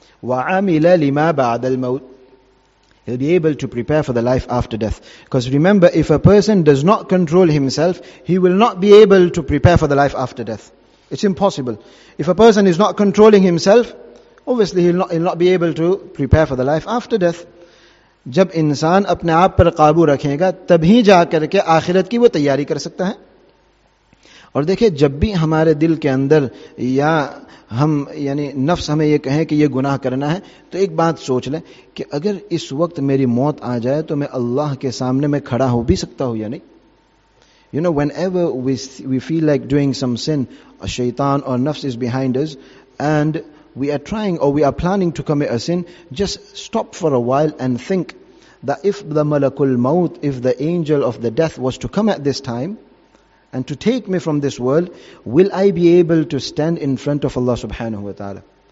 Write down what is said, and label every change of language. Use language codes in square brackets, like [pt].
[ar] وَعَمِلَ لِمَا بَعْدَ الْمَوْتِ, [en] he'll be able to prepare for the life after death. Because remember, if a person does not control himself, he will not be able to prepare for the life after death. It's impossible. If a person is not controlling himself, obviously he'll not be able to prepare for the life after death. [ur] جب انسان اپنے آپ پر قابو رکھے گا تب ہی جا کر کے آخرت کی وہ تیاری کر سکتا ہے. اور دیکھیں جب بھی ہمارے دل کے اندر یا ہم یعنی نفس ہمیں یہ کہیں کہ یہ گناہ کرنا ہے تو ایک بات سوچ لیں کہ اگر اس وقت میری موت آ جائے تو میں اللہ کے سامنے میں کھڑا ہو بھی سکتا ہوں یا نہیں. [en] You know, whenever we feel like doing some sin, a shaitan or nafs is behind us and we are trying or we are planning to commit a sin, just stop for a while and think that if the malakul maut, if the angel of the death was to come at this time and to take me from this world, will I be able to stand in front of Allah subhanahu wa ta'ala?